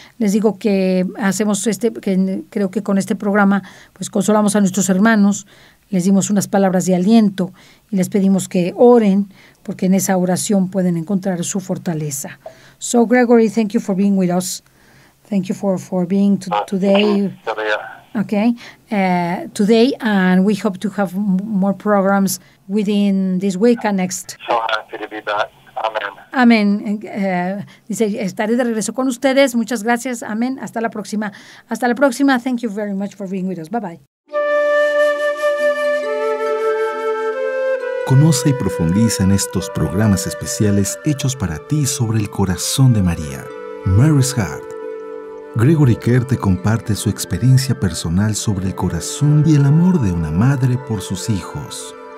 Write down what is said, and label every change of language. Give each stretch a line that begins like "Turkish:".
Spanish: Les digo que hacemos creo que con este programa pues consolamos a nuestros hermanos, les dimos unas palabras de aliento y les pedimos que oren, porque en esa oración pueden encontrar su fortaleza.
English: So Gregory, thank you for being with us. Thank you for being today. Okay. Today, and we hope to have more programs within this week and next. So happy to be back. Amen.
Spanish: Amen. Dice, estaré de regreso con ustedes. Muchas gracias. Amen. Hasta la próxima. Hasta la próxima.
English: Thank you very much for being with us. Bye-bye.
Spanish: Conoce y profundiza en estos programas especiales hechos para ti sobre el corazón de María. Mary's Heart. Gregory Kerr te comparte su experiencia personal sobre el corazón y el amor de una madre por sus hijos.